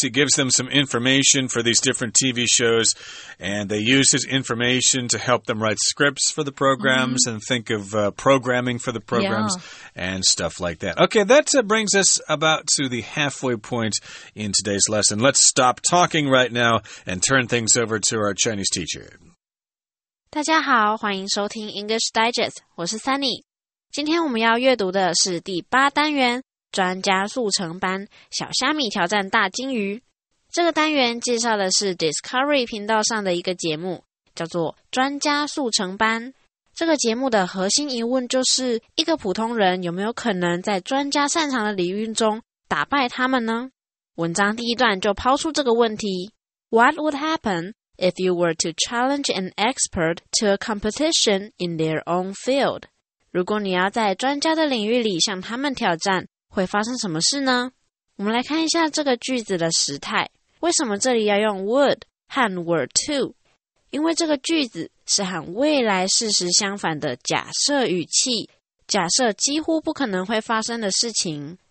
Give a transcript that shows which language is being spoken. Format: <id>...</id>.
<en>He gives them some information for these different TV shows. And they use his information to help them write scripts for the programs、mm-hmm. and think of、programming for the programs、yeah. and stuff like that. Okay, that、brings us about to the halfway point in today's lesson. Let's stop talking right now and turn things over to our Chinese teacher.</en> <zh>大家好，欢迎收听 English Digest. 我是 Sunny. 今天我们要阅读的是第八单元。专家速成班，小虾米挑战大金鱼。这个单元介绍的是 Discovery 频道上的一个节目，叫做专家速成班。这个节目的核心疑问就是，一个普通人有没有可能在专家擅长的领域中打败他们呢？文章第一段就抛出这个问题。</zh> <en>What would happen if you were to challenge an expert to a competition in their own field?</en> <zh>如果你要在专家的领域里向他们挑战，会发生什么事呢？我们来看一下这个句子的时态。为什么这里要用 would 和 were to？因为这个句子是和未来事实相反的假设语气，假设几乎不可能会发生的事情。</zh>